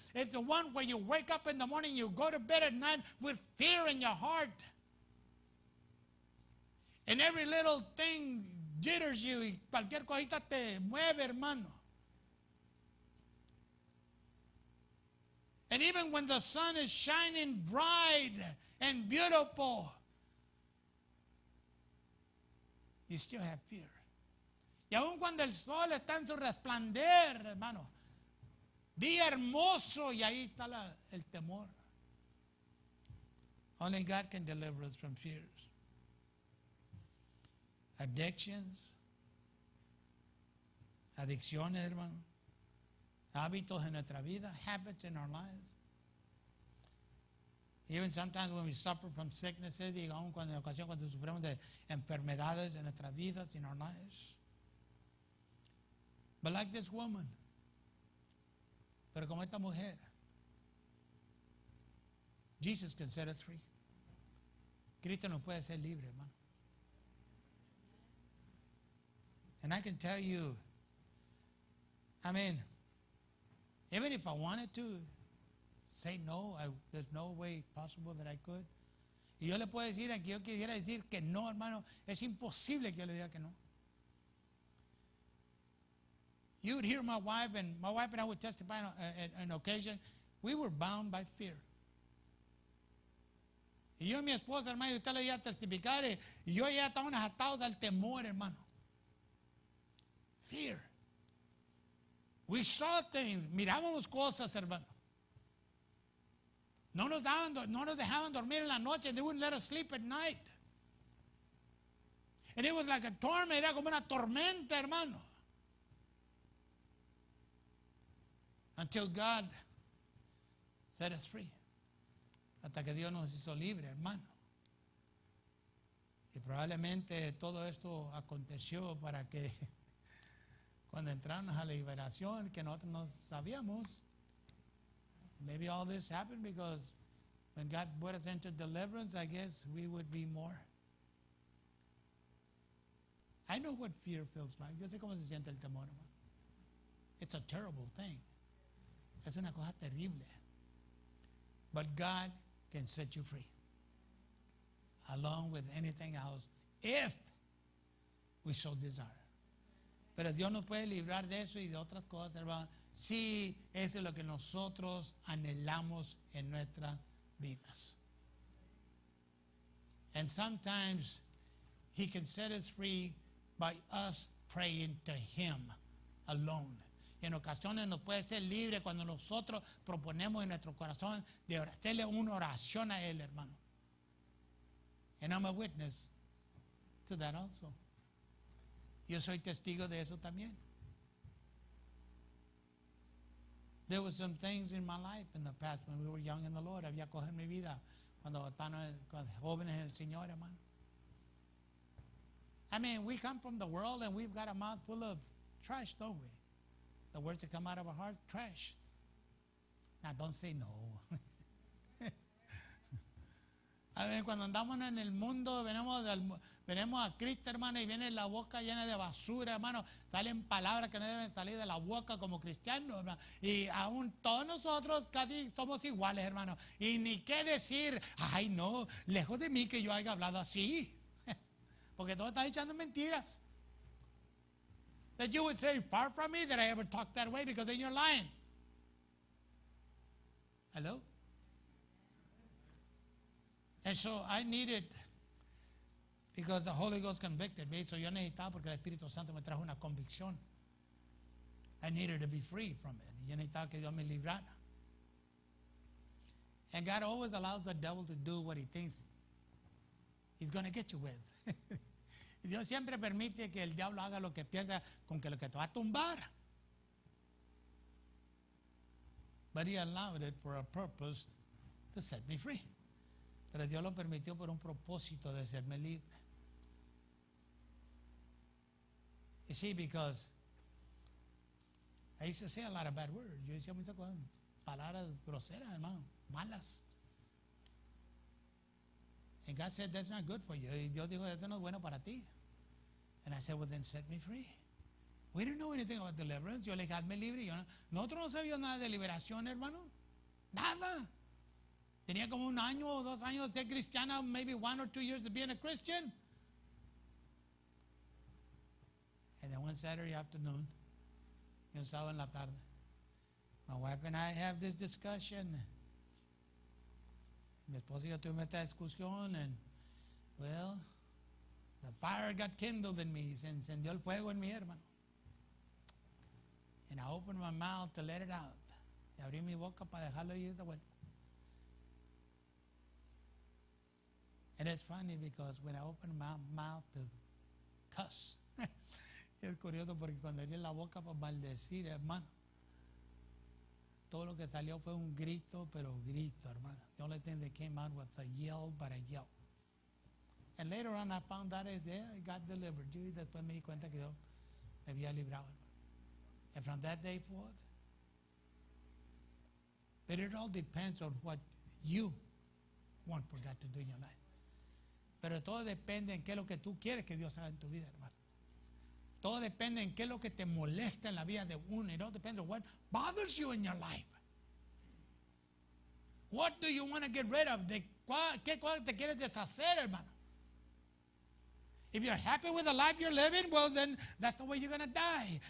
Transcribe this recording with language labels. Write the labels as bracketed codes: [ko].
[en] It's the one where you wake up in the morning, you go to bed at night with fear in your heart. And every little thing jitters you, [es] y cualquier cosita te mueve, hermano. [en] And even when the sun is shining bright and beautiful, you still have fear. [es] Y aun cuando el sol está en su resplandor, hermano, día hermoso, y ahí está el temor. [en] Only God can deliver us from fears. [es] Addictions, adicciones, hermano, hábitos en nuestra vida, [en] habits in our lives. Even sometimes when we suffer from sicknesses, [es] y aun cuando en ocasión cuando sufrimos de enfermedades en nuestras vidas, [en] in our lives. But like this woman, [es] pero como esta mujer, [en] Jesus can set us free. [es] Cristo nos puede hacer libre, hermano. [en] And I can tell you, I mean, even if I wanted to say no, there's no way possible that I could. [es] Y yo le puedo decir que yo quisiera decir que no, hermano. Es imposible que yo le diga que no. [en] You would hear my wife and I would testify on an occasion. We were bound by fear. [es] Y yo y mi esposa, hermano, usted le iba a testificar. Y yo ya estaba atado al temor, hermano. [en] Fear. We saw things. [es] Mirábamos cosas, hermano. No nos dejaban dormir en la noche. [en] They wouldn't let us sleep at night. And it was like a torment. [es] Era como una tormenta, hermano. [en] Until God set us free. [es] Hasta que Dios nos hizo libre, hermano. Y probablemente todo esto aconteció para que cuando entramos a la liberación, que nosotros no sabíamos. [en] Maybe all this happened because when God brought us into deliverance, I guess we would be more. I know what fear feels like. [es] Yo sé cómo se siente el temor, hermano. [en] It's a terrible thing. [es] Es una cosa terrible. [en] But God can set you free. Along with anything else, if we so desire. [es] Pero Dios nos puede librar de eso y de otras cosas, hermano. Sí, eso es lo que nosotros anhelamos en nuestras vidas. [en] And sometimes he can set us free by us praying to him alone. [es] Y en ocasiones nos puede ser libre cuando nosotros proponemos en nuestro corazón de hacerle una oración a él, hermano. [en] And I'm a witness to that also. [es] Yo soy testigo de eso también. [en] There were some things in my life in the past when we were young in the Lord. [es] Había cosas en mi vida cuando jóvenes en el Señor, hermano. [en] I mean, we come from the world and we've got a mouth full of trash, don't we? The words that come out of our heart, trash. Now, don't say no. [es] A ver, cuando andamos en el mundo, venimos a Cristo, hermano, y viene la boca llena de basura, hermano. Salen palabras que no deben salir de la boca como cristianos, hermano. Y aún todos nosotros casi somos iguales, hermano. Y ni qué decir, ay, no, lejos de mí que yo haya hablado así. Porque todo está echando mentiras. [en] That you would say, far from me that I ever talked that way, because then you're lying. Hello? And so I needed, because the Holy Ghost convicted me, so [es] yo necesitaba porque el Espíritu Santo me trajo una convicción. [en] I needed to be free from it. [es] Yo necesitaba que Dios me librara. [en] And God always allows the devil to do what he thinks he's going to get you with. [es] Dios siempre permite que el diablo haga lo que piensa con que lo que te va a tumbar. [en] But he allowed it for a purpose to set me free. [es] Pero Dios lo permitió por un propósito de serme libre. [en] You see, because I used to say a lot of bad words. [es] Yo decía muchas cosas, palabras groseras, hermano, malas. [en] And God said, that's not good for you. [es] Y Dios dijo, esto no es bueno para ti. [en] And I said, well, then set me free. We didn't know anything about deliverance. [es] Yo le dije, hazme libre. Yo no, nosotros no sabíamos nada de liberación, hermano. Nada. Tenía como un año o dos años de ser cristiana, [en] maybe one or two years of being a Christian. And then one Saturday afternoon, [es] y un sábado en la tarde, [en] my wife and I have this discussion. [es] Mi esposo y yo tuvimos esta discusión, [en] and well, the fire got kindled in me. [es] Se encendió el fuego en mi hermano. [en] And I opened my mouth to let it out. [es] Y abrí mi boca para dejarlo ir de vuelta. [en] And it's funny because when I opened my mouth to cuss, [es] es curioso porque cuando abrí la boca para maldecir, hermano, todo lo que salió fue un grito, pero grito, hermano. [en] The only thing that came out was a yell, but a yell. And later on, I found out that I got delivered. [es] Y después me di cuenta que yo me había librado. [en] And from that day forth, but it all depends on what you want for God to do in your life. [es] Pero todo depende en qué es lo que tú quieres que Dios haga en tu vida, hermano. Todo depende en qué es lo que te molesta en la vida de uno. [en] It all depends on what bothers you in your life. What do you want to get rid of? [es] ¿Qué cosa te quieres deshacer, hermano? [en] If you're happy with the life you're living, well then, that's the way you're going to die.